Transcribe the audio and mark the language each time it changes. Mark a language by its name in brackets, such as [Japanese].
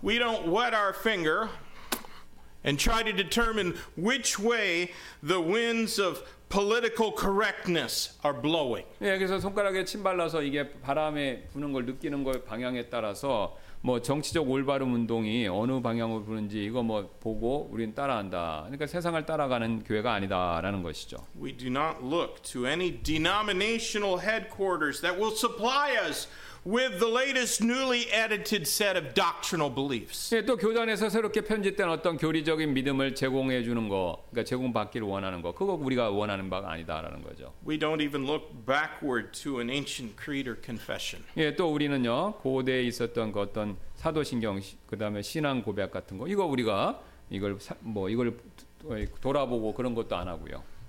[English] We don't wet our finger and try to determine which way the winds of political correctness are blowing. [Korean] 예, 그래서 손가락에 침 발라서 이게 바람에 부는 걸 느끼는 걸 방향에 따라서 뭐 정치적 올바른 운동이 어느 방향으로 부는지 이거 뭐 보고 우리는 따라한다. 그러니까 세상을 따라가는 교회가 아니다라는 것이죠. [English] We do not look to any denominational headquarters that will supply us with the latest newly edited set of doctrinal beliefs. [Korean] 예, 또 교단에서 새롭게 편집된 어떤 교리적인 믿음을 제공해 주는 거, 그러니까 제공받기를 원하는 거, 그거 우리가 원하는 바가 아니다라는 거죠. [English] We don't even look backward to an ancient creed or confession. [Korean] 예, 또 우리는요, 고대에 있었던 그 어떤 사도신경, 그 다음에 신앙 고백 같은 거, 이거 우리가 이걸 뭐 이걸 돌아보고 그런 것도 안 하고요.